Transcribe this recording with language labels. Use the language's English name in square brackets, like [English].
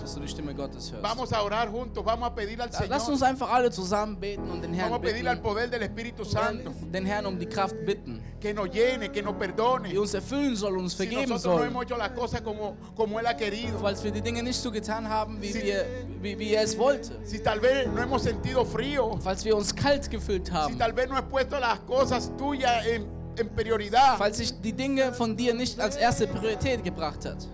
[German] Dass du die Stimme Gottes hörst. [Spanish] Vamos a orar juntos. Vamos a pedir al Señor. [German] Lasst uns einfach alle zusammen beten und den Herrn [Spanish] Vamos [German] bitten. [Spanish] Vamos a pedir al poder del Espíritu Santo. [German] Den Herrn um die Kraft bitten. [Spanish] Que nos llene, que nos perdone. [German] Die uns erfüllen soll, uns vergeben [Spanish] si nosotros No hemos hecho las cosas como él ha querido. [German] Falls wir die Dinge nicht so getan haben, wie er es wollte. [Spanish] Si tal vez no hemos sentido frío. [German] Falls wir uns kalt gefühlt haben. [Spanish] Si tal vez no hemos puesto las cosas tuyas en prioridad. [German] Falls ich die Dinge von dir nicht als erste Priorität gebracht hat.